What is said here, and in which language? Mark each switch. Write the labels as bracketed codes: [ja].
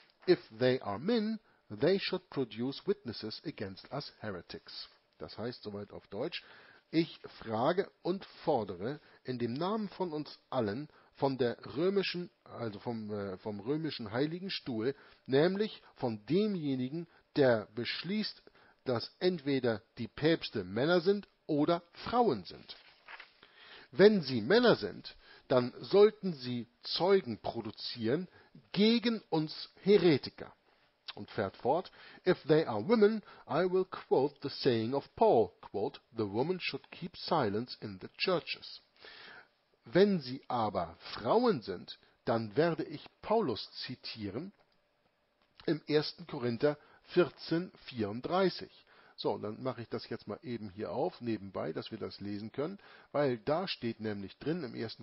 [en] If they are men, they should produce witnesses against us heretics. [de] Das heißt, soweit auf Deutsch, ich frage und fordere in dem Namen von uns allen von der römischen, also vom römischen Heiligen Stuhl, nämlich von demjenigen, der beschließt, dass entweder die Päpste Männer sind oder Frauen sind. Wenn sie Männer sind, dann sollten sie Zeugen produzieren gegen uns Heretiker. Und fährt fort, [en] if they are women, I will quote the saying of Paul, quote, the woman should keep silence in the churches. [de] Wenn sie aber Frauen sind, dann werde ich Paulus zitieren im 1. Korinther 14, 34. So, dann mache ich das jetzt mal eben hier auf, nebenbei, dass wir das lesen können, weil da steht nämlich drin im 1.